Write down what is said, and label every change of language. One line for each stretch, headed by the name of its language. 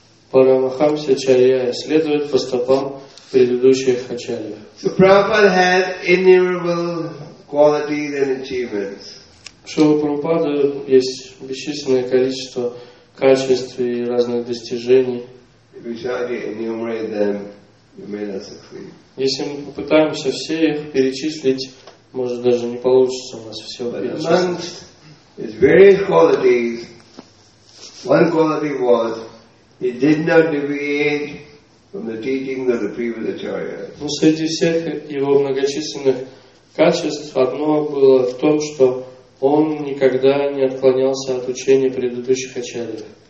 Russian: Парамахамсая Ачарья, следовать по стопам предыдущих Ачарьев.
English: So, Prabhupada had innumerable qualities and achievements.
Russian: Шрила Прабхупада есть бесчисленное количество качеств и разных достижений.
English: If we try to enumerate them, we may not succeed.
Russian: Если мы попытаемся все их перечислить, может даже не получится у нас все перечислить.
English: But amongst his various qualities, one quality was he did not deviate from the teaching of the previous acharya.
Russian: Но среди всех его многочисленных качество одно было в том, что он никогда не отклонялся от учения предыдущих ачарьев.